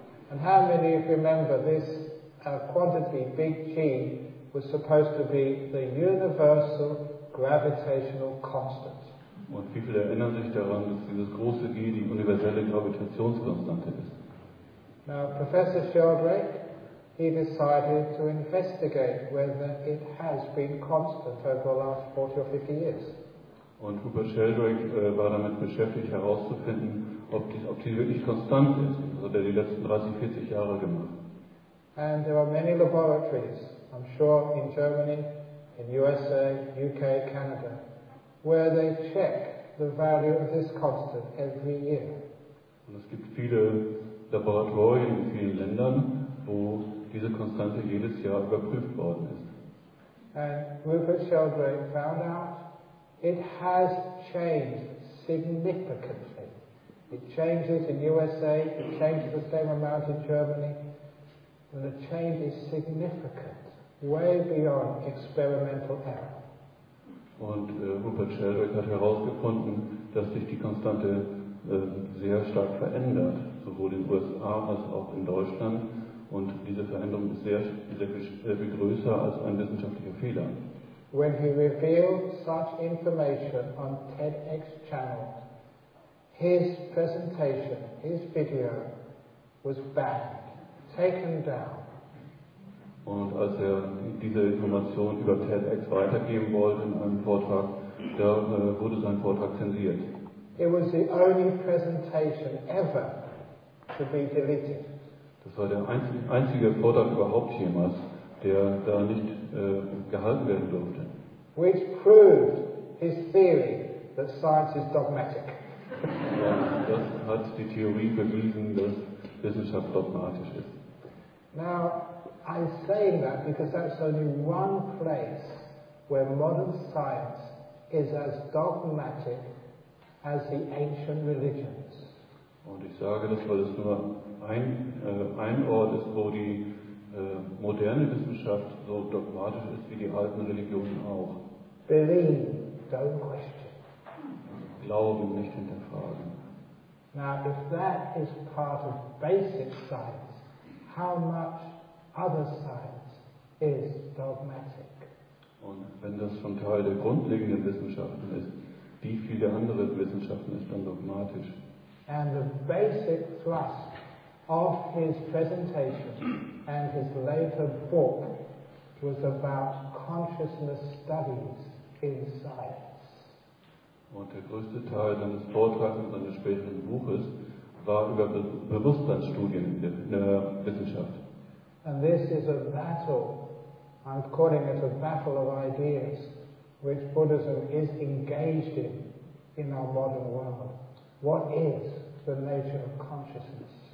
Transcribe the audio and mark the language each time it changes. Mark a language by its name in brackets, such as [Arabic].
[English] And how many of you remember this quantity, big G, was supposed to be the universal gravitational constant? [German] Und wie viele erinnern sich daran, dass dieses große G die universelle Gravitationskonstante ist? [English] Now, Professor Sheldrake, he decided to investigate whether it has been constant over the last 40 or 50 years. [German] Und Rupert Sheldrake war damit beschäftigt, herauszufinden, ob die wirklich konstant ist. Das hat er die letzten 30, 40 Jahre gemacht. [English] And there are many laboratories, I'm sure in Germany, in USA, UK, Canada, where they check the value of this constant every year. [German] Und es gibt viele Laboratorien in vielen Ländern, wo diese Konstante jedes Jahr überprüft worden ist. [English] And Rupert Sheldrake found out it has changed significantly. It changes in USA, it changes the same amount in Germany, and the change is significant, way beyond experimental error. [German] Und Rupert Sheldrake hat herausgefunden, dass sich die Konstante sehr stark verändert, sowohl in den USA als auch in Deutschland, und diese Veränderung ist sehr viel größer als ein wissenschaftlicher Fehler. [English] When he revealed such information on TEDx channel, his presentation, his video, was banned, taken down. [German] Und als diese Information über TEDx weitergeben wollte in einem Vortrag, da wurde sein Vortrag zensiert. [English] It was the only presentation ever to be deleted. [German] Das war der einzige Vortrag überhaupt jemals, der da nicht gehalten werden durfte. [English] Which proved his theory that science is dogmatic. [German] Ja, das hat die Theorie bewiesen, dass Wissenschaft dogmatisch ist. [English] Now, I'm saying that because that's only one place where modern science is as dogmatic as the ancient religions. [German] Und ich sage das, weil es nur ein Ort ist, wo die moderne Wissenschaft so dogmatisch ist wie die alten Religionen auch. [English] Believe, don't question. [German] Glauben, nicht hinterfragen. [English] Now, if that is part of basic science, how much other science is dogmatic? [German] Und wenn das schon Teil der grundlegenden Wissenschaften ist, wie viele andere Wissenschaften ist dann dogmatisch? [English] And the basic thrust of his presentation and his later book was about consciousness studies in science. [German] Und der größte Teil seines Vortrags und seines späteren Buches war über Bewusstseinsstudien in der Wissenschaft. [English] And this is a battle, I'm calling it a battle of ideas, which Buddhism is engaged in our modern world. What is the nature of consciousness?